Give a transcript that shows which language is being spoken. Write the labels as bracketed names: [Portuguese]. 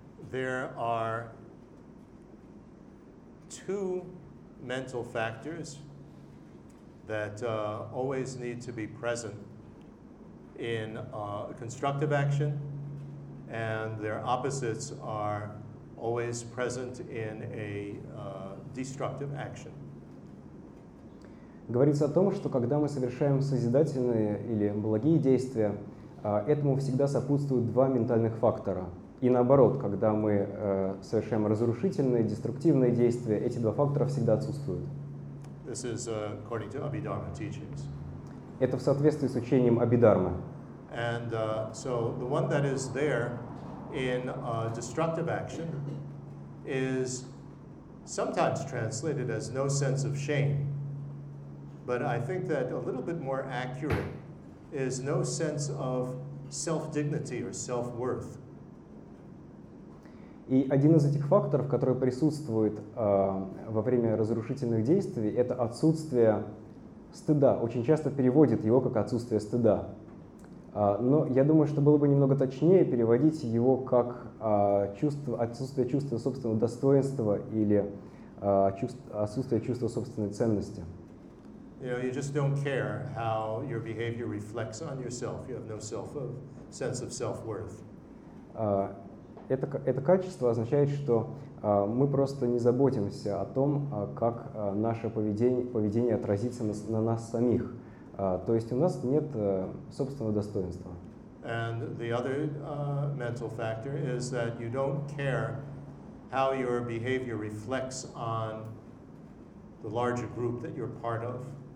[English] There are two mental factors that always need to be present in constructive action, and their opposites are always present in a destructive action. [Russian] Говорится о том, что когда мы совершаем созидательные или благие действия, этому всегда сопутствуют два ментальных фактора. И наоборот, когда мы совершаем разрушительные, деструктивные действия, эти два фактора всегда отсутствуют. [English] This is according to Abhidharma teachings. [Russian] Это в соответствии с учением Абхидхармы. [English] And so the one that is there in destructive action is sometimes translated as no sense of shame. But I think that a little bit more accurate is no sense of self-dignity or self-worth. [Russian] И один из этих факторов, который присутствует во время разрушительных действий, это отсутствие стыда. Очень часто переводят его как отсутствие стыда. Но я думаю, что было бы немного точнее переводить его как отсутствие чувства собственного достоинства или отсутствие чувства собственной ценности. [English] You know, you just don't care how your behavior reflects on yourself. You have no sense of self-worth. [Russian] Это качество означает, что мы просто не заботимся о том, как наше поведение отразится на нас самих. То есть у нас нет собственного достоинства. [English] And the other mental factor is that you don't care how your behavior reflects on the larger group that you're part of.